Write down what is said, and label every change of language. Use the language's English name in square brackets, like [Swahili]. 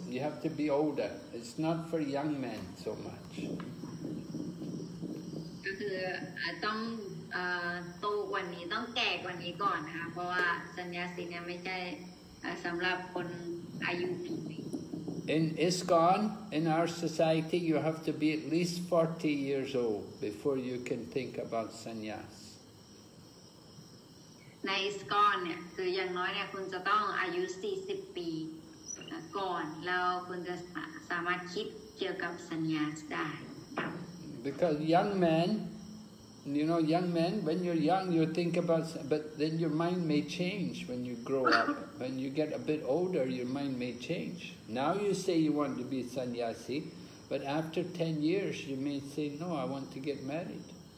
[English] You have to be older. It's not for young men so much. [Thai] คือต้องโตกว่านี้ต้องแก่กว่านี้ก่อนนะคะเพราะว่าสัญญาสีเนี่ยไม่ใช่สำหรับคนอายุถึง [English] In ISKCON, in our society, you have to be at least 40 years old before you can think about sannyas. [Thai] ในISKCONเนี่ยคืออย่างน้อยเนี่ยคุณจะต้องอายุ40ปีก่อนแล้วคุณจะสามารถคิดเกี่ยวกับสัญญาสได้ [English] Because young men, you know, young men, when you're young, you think about, but then your mind may change when you grow up. When you get a bit older, your mind may change. Now you say you want to be sannyasi, but after 10 years, you may say, no, I want to get married.